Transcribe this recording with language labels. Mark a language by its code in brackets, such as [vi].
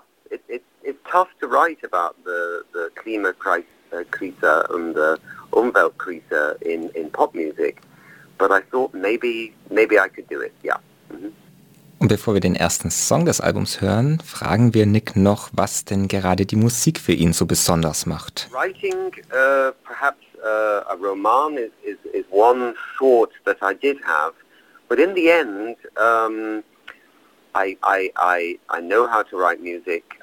[en] It's tough to write about the Klimakrise and the Umweltkrise in pop music, but I thought maybe I could do it. Yeah. [de] Und bevor wir den ersten Song des Albums hören, fragen wir Nick noch, was denn gerade die Musik für ihn so besonders macht. [en] Writing perhaps a roman is one thought that I did have, but in the end, I know how to write music.